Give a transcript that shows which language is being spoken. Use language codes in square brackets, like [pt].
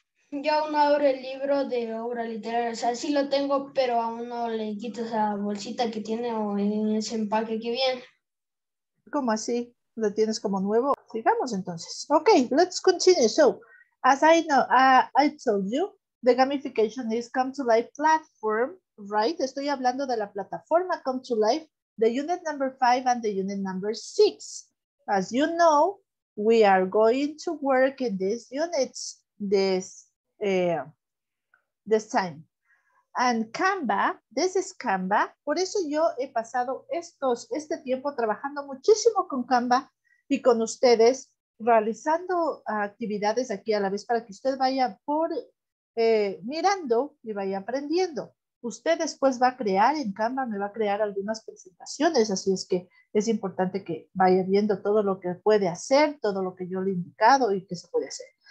[es] Yo aún no abro el libro de obra literaria. O sea, sí lo tengo, pero aún no le quito esa bolsita que tiene o en ese empaque que viene. ¿Cómo así? ¿Lo tienes como nuevo? Sigamos entonces. [en] Ok, let's continue. So, as I know, I told you, the gamification is come to life platform, right? [es] Estoy hablando de la plataforma come to life, [en] the unit number 5 and the unit number 6. As you know, we are going to work in these units this time. And Canva, this is Canva. [es] Por eso yo he pasado este tiempo trabajando muchísimo con Canva y con ustedes, realizando actividades aquí a la vez para que usted vaya mirando y vaya aprendiendo. Usted después va a crear en Canva, me va a crear algunas presentaciones, así es que es importante que vaya viendo todo lo que puede hacer, todo lo que yo le he indicado y que se puede hacer.